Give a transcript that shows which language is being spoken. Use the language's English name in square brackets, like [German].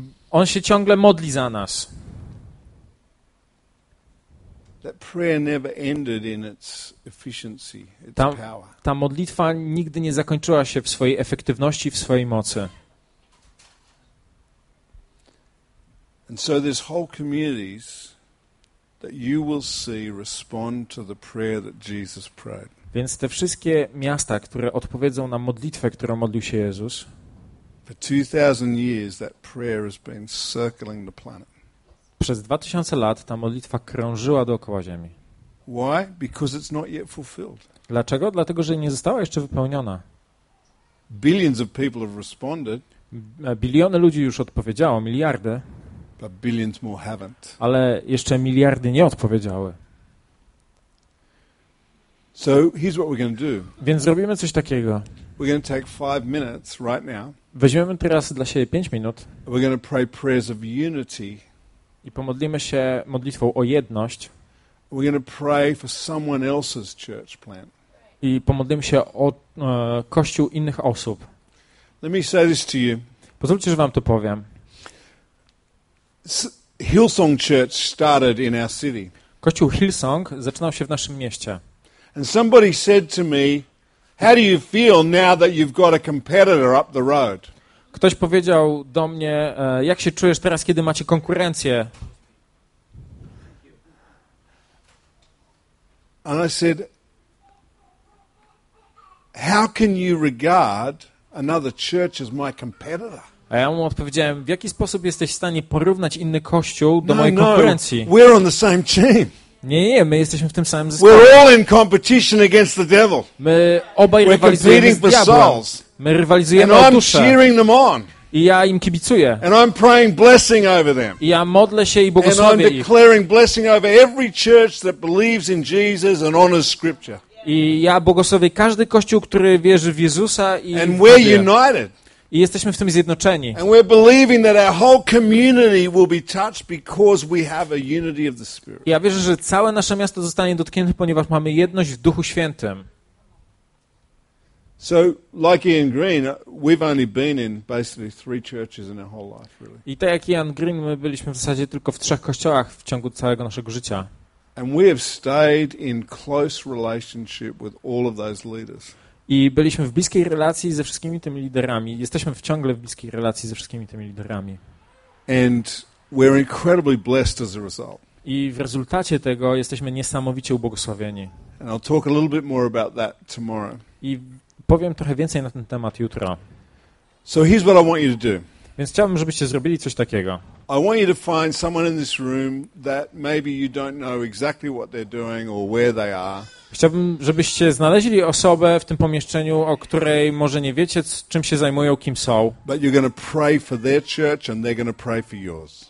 [Polish] On się ciągle modli za nas. [English] That prayer never ended in its efficiency, its power. [Polish] Ta modlitwa nigdy nie zakończyła się w swojej efektywności, w swojej mocy. [English] And so this whole communities that you will see respond to the prayer that Jesus prayed. [Polish] Więc te wszystkie miasta, które odpowiedzą na modlitwę, którą modlił się Jezus. [English] For 2000 years that prayer has been circling the planet. [Polish] Przez 2000 lat ta modlitwa krążyła dookoła Ziemi. [English] Why? Because it's not yet fulfilled. [Polish] Dlaczego? Dlatego, że nie została jeszcze wypełniona. [English] Billions of people have responded. [Polish] Biliony ludzi już odpowiedziało, miliardy. [English] But billions more haven't. [Polish] Ale jeszcze miliardy nie odpowiedziały. [English] So here's what we're going to do. [Polish] Więc zrobimy coś takiego. [English] We're going to take 5 minutes right now. [Polish] Weźmiemy teraz dla siebie 5 minut. [English] We're going to pray prayers of unity. [Polish] I pomodlimy się modlitwą o jedność. [English] We're going to pray for someone else's church plant. [Polish] I pomodlimy się o kościół innych osób. [English] Let me say this to you. [Polish] Pozwólcie, że wam to powiem. [English] Hillsong Church started in our city. [Polish] Kościół Hillsong zaczynał się w naszym mieście. [English] And somebody said to me, "How do you feel now that you've got a competitor up the road?" [Polish] Ktoś powiedział do mnie, jak się czujesz teraz, kiedy macie konkurencję? [English] And I said, "How can you regard another church as my competitor?" [Polish] A ja mu odpowiedziałem, w jaki sposób jesteś w stanie porównać inny kościół do mojej konkurencji? [English] No, we're on the same team. [Polish] Nie, my jesteśmy w tym samym zespole. [English] We're all in competition against the devil. [Polish] My obaj rywalizujemy z diabłem. My rywalizujemy o duszę. [English] And I'm cheering them on. [Polish] I ja im kibicuję. [English] And I'm praying blessing over them. [Polish] I ja modlę się i błogosławię ich. [English] And I'm declaring blessing over every church that believes in Jesus and honors Scripture. [Polish] I ja błogosławię każdy kościół, który wierzy w Jezusa i [English] And we're united. [Polish] I jesteśmy w tym zjednoczeni. [English] And we're believing that our whole community will be touched because we have a unity of the Spirit. [Polish] Ja wierzę, że całe nasze miasto zostanie dotknięte, ponieważ mamy jedność w Duchu Świętym. [English] So, like Ian Green, we've only been in basically 3 churches in our whole life, really. [Polish] I tak jak Ian Green, my byliśmy w zasadzie tylko w 3 kościołach w ciągu całego naszego życia. [English] And we have stayed in close relationship with all of those leaders. [Polish] I byliśmy w bliskiej relacji ze wszystkimi tymi liderami. Jesteśmy w ciągle w bliskiej relacji ze wszystkimi tymi liderami. [English] And we're incredibly blessed as a result. [Polish] I w rezultacie tego jesteśmy niesamowicie ubogosławieni. [English] And I'll talk a little bit more about that tomorrow. [Polish] I powiem trochę więcej na ten temat jutro. [English] So here's what I want you to do. [Polish] Więc chciałbym, żebyście zrobili coś takiego. [English] I want you to find someone in this room that maybe you don't know exactly what they're doing or where they are. [Polish] Chciałbym, żebyście znaleźli osobę w tym pomieszczeniu, o której może nie wiecie, czym się zajmują, kim są. [English] But you're going to pray for their church and they're going to pray for yours.